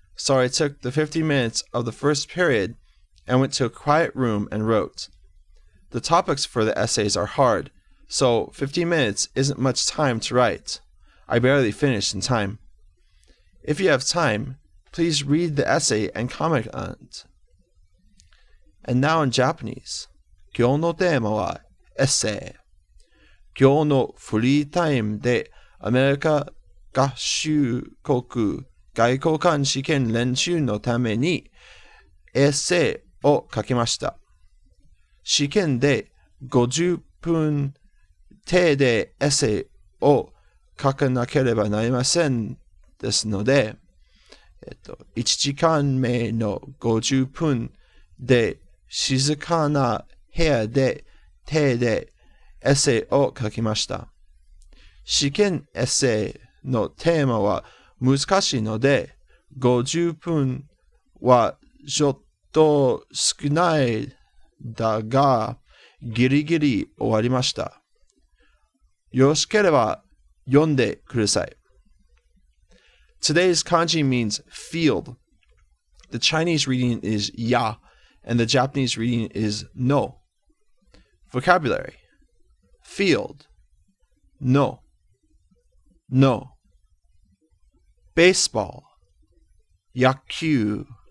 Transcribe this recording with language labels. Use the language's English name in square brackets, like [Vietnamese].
[English] So I took the 50 minutes of the first period and went to a quiet room and wrote. The topics for the essays are hard, so 50 minutes isn't much time to write. I barely finished in time. If you have time, please read the essay and comment on it. And now in Japanese. [Japanese] 今日のテーマはエッセイ。今日のフリータイムでアメリカ合衆国外交官試験練習のためにエッセイを書きました。試験で50分程度エッセイを書かなければなりませんですので、1時間目の50分で静かな部屋で手でエッセイを書きました。試験エッセイのテーマは難しいので、50分はちょっと少ないだが、ギリギリ終わりました。よろしければ読んでください。 [English] Today's kanji means field. The Chinese reading is ya, and the Japanese reading is no. Vocabulary. Field. No. No. Baseball. Yakyu.